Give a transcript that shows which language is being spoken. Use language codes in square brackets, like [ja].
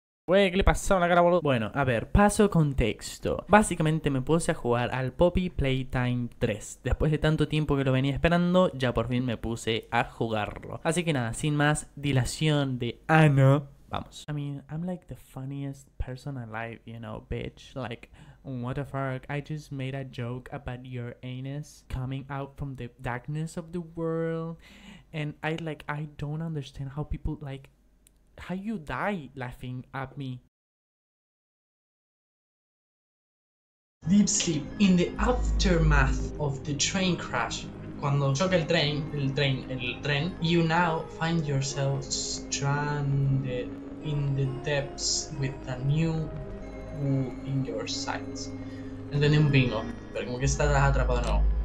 [es] Wey, ¿qué le pasó a la cara, boludo? Bueno, a ver, paso contexto. Básicamente me puse a jugar al Poppy Playtime 3. Después de tanto tiempo que lo venía esperando, ya por fin me puse a jugarlo. Así que nada, sin más dilación de ano, vamos. [en] I mean, I'm like the funniest person alive, you know, bitch. Like, what the fuck? I just made a joke about your anus coming out from the darkness of the world. And I don't understand how people, like... How you die laughing at me? Deep sleep in the aftermath of the train crash. [es] Cuando choca el tren, [en] you now find yourself stranded in the depths with a new goo in your sights. [es] Entendí un bingo, pero como que estás atrapado de nuevo.